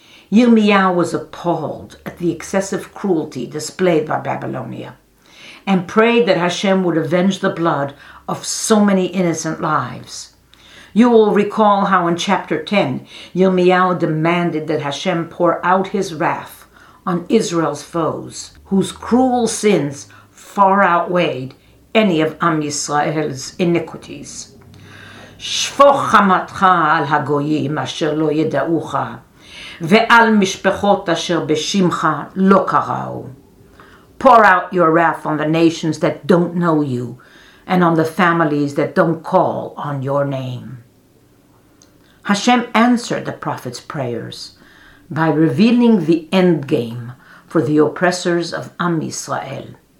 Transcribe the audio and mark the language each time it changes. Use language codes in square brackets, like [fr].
[en] Yirmiyahu was appalled at the excessive cruelty displayed by Babylonia and prayed that Hashem would avenge the blood of so many innocent lives. You will recall how in chapter 10, Yirmiyahu demanded that Hashem pour out his wrath on Israel's foes, whose cruel sins far outweighed any of Am Yisrael's iniquities. [he] שפוך חמתך על הגויים אשר לא ידעוך ועל משפחות אשר בשמך לא קראו. [en] Pour out your wrath on the nations that don't know you and on the families that don't call on your name. Hashem answered the prophet's prayers by revealing the end game for the oppressors of Am Yisrael.